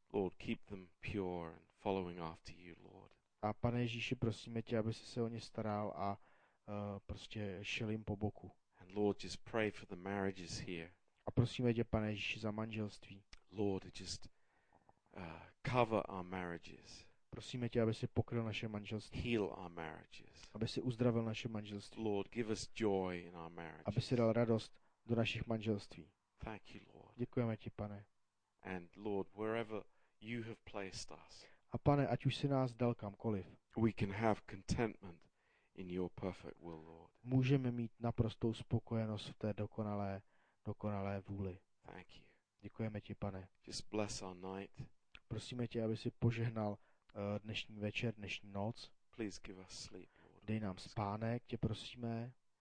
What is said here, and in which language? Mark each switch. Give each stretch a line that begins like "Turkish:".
English: Lord, keep them pure and following after you, Lord.
Czech: A Pane Ježíši, prosíme tě, aby jsi se o ně staral a prostě šel jim po boku.
English: And Lord, just pray for the marriages here.
Czech: A prosíme tě, Pane Ježíši, za manželství.
English: Lord, just cover our marriages.
Czech: Prosíme tě, aby jsi pokryl naše manželství.
English: Heal our marriages.
Czech: Aby jsi uzdravil naše manželství.
English: Lord, give us joy in our marriages.
Czech: Aby jsi dal radost do našich manželství.
English: Thank you, Lord.
Czech: Děkujeme ti, Pane.
English: And Lord, wherever you have placed us.
Czech: A Pane, ať už si nás dal kamkoliv.
English: We can have contentment in your perfect will, Lord.
Czech: Můžeme mít naprostou spokojenost v té dokonalé vůli.
English: Thank you.
Czech: Děkujeme ti, Pane.
English: Just bless our night.
Czech: Prosíme tě, aby si požehnal dnešní večer, dnešní noc.
English: Please give us sleep, Lord.
Czech: Dej nám spánek, tě prosíme.